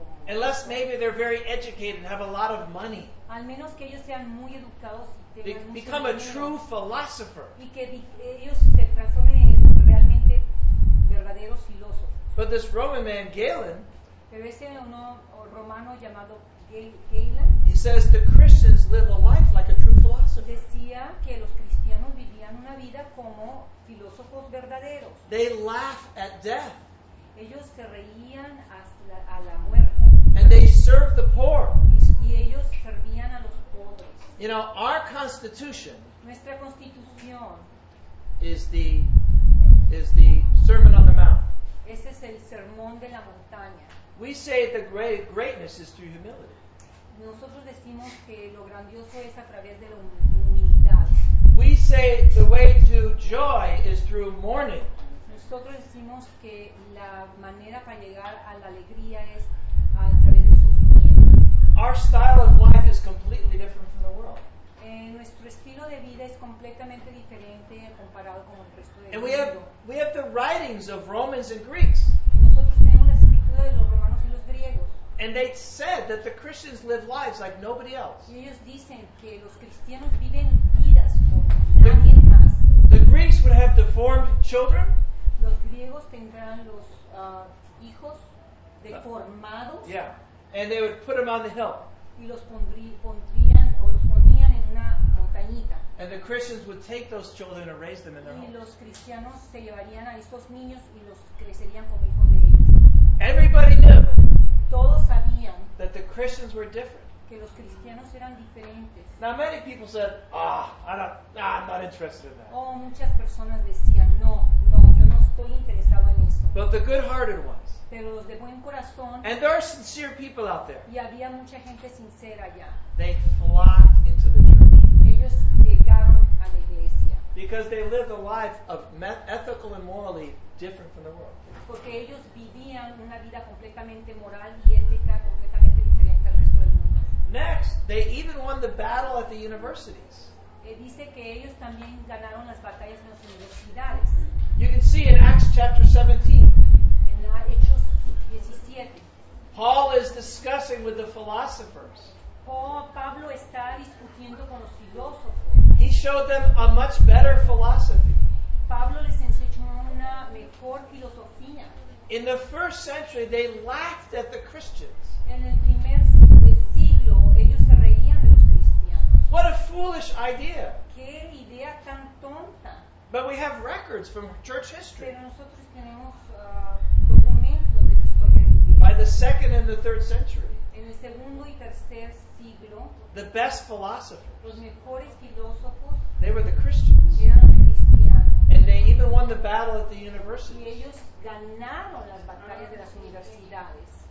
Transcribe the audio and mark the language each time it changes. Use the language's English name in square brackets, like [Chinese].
[English] Unless maybe they're very educated and have a lot of money. [Spanish] Al menos que ellos sean muy educados y tengan [English] mucho become a true philosopher. [Spanish] Y que ellos se transformen en realmente verdaderos filósofos. [English] But this Roman man, Galen, [Spanish] pero este romano llamado Galen, [English] he says the Christians live a life like a true philosopher. [Spanish] Decía que los cristianos vivían una vida como filósofos verdaderos. [English] They laugh at death. [Spanish] Ellos se reían a la muerte. [English] And they serve the poor. [Spanish] Y ellos servían a los pobres. [English] You know, our constitution, [Spanish] nuestra constitución, [English] is the Sermon on the Mount. [Spanish] Ese es el sermón de la montaña. [English] We say the greatness is through humility. [Spanish] Nosotros decimos que lo grandioso es a través de la humildad. [English] We say the way to joy is through mourning. [Spanish] Nosotros decimos que la manera para llegar a la alegría es a través del sufrimiento. [English] Our style of life is completely different from the world. [Spanish] Nuestro estilo de vida es completamente diferente comparado con el resto del mundo. [English] And we have the writings of Romans and Greeks. [Spanish] Nosotros tenemos la escritura de los romanos y los griegos. [English] And they said that the Christians live lives like nobody else. [Spanish] Y ellos dicen que los cristianos viven vidas como nadie más. [English] The Greeks would have deformed children. [Spanish] Los griegos tendrán los hijos deformados. [English] Yeah, and they would put them on the hill. [Spanish] Y los pondrían o los ponían en una montañita. [English] And the Christians would take those children and raise them in their homes. [Spanish] Y los cristianos se llevarían a estos niños y los crecerían como hijos de ellos. [English] Everybody knew. [Spanish] Todos sabían [English] that the Christians were different. [Spanish] Que los cristianos eran diferentes. [English] Now many people said, I'm not interested in that. [Spanish] Oh, muchas personas decían, no, yo no estoy interesado en eso. [English] But the good-hearted ones. [Spanish] Pero los de buen corazón. [English] And there are sincere people out there. [Spanish] Y había mucha gente sincera allá. [English] They flocked into the church. [Spanish] Ellos llegaron a la iglesia. [English] Because they lived a life of ethical and morally different from the world. [Spanish] Porque ellos vivían una vida completamente moral y ética, completamente diferente al resto del mundo. [English] Next, they even won the battle at the universities. [Spanish] Dice que ellos también ganaron las batallas en las universidades. [English] You can see in Acts chapter 17. [Spanish] En Hechos 17. [English] Paul is discussing with the philosophers. [Spanish] Pablo está discutiendo con los filósofos. [English] He showed them a much better philosophy. [Spanish] Pablo les enseñó una mejor filosofía. [English] In the first century, they laughed at the Christians. [Spanish] En el primer siglo, ellos se reían de los cristianos. [English] What a foolish idea. [Spanish] Qué idea tan tonta. [English] But we have records from church history. [Spanish] Pero nosotros tenemos documentos de la historia de la iglesia. [English] By the second and the third century. [Spanish] En el segundo y tercer siglo. [English] The best philosophers. [Spanish] Los mejores filósofos. [English] They were the Christians. [Spanish] Eran [English] And they even won the battle at the universities. [Spanish] Y ellos ganaron las batallas de las universidades.